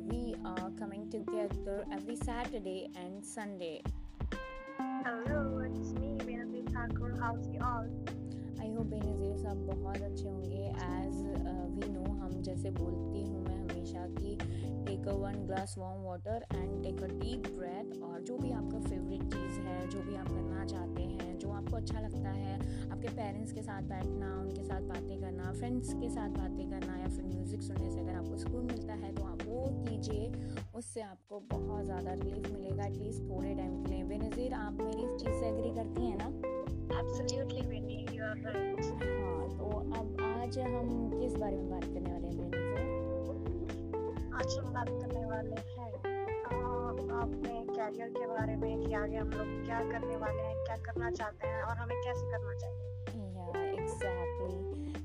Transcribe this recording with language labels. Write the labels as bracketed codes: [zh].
[en] We are coming together every Saturday and Sunday. Hello, it's me, Benazir Thakur. How's it all? I hope Benazir sir, [hi] बहुत अच्छे होंगे. [en] As we know, [hi] हम जैसे बोलती हूँ मैं हमेशा कि [en] take a one glass warm water and take a deep breath. [hi] और जो भी आपका favorite चीज़ है, जो भी आप करना चाहते हैं, जो आपको अच्छा लगता है, आपके parents के साथ बैठना, उनके साथ बातें करना, friends के साथ बातें करना, या फिर music सुनने से अगर आपको सुकून मिलता है तो आप वो कीजिए. उससे आपको बहुत ज़्यादा रिलीफ मिलेगा एटलीस्ट थोड़े टाइम के लिए. बेनज़ीर, आप मेरी इस चीज़ से एग्री करती हैं ना? [en] Absolutely, Vinny, you are right. [hi] हाँ, तो अब आज हम किस बारे में बात करने वाले हैं बेनज़ीर? आज हम बात करने वाले हैं अपने कैरियर के बारे में कि आगे हम लोग क्या करने वाले हैं, क्या करना चाहते हैं और हमें कैसे करना चाहिए. या एग्जैक्टली.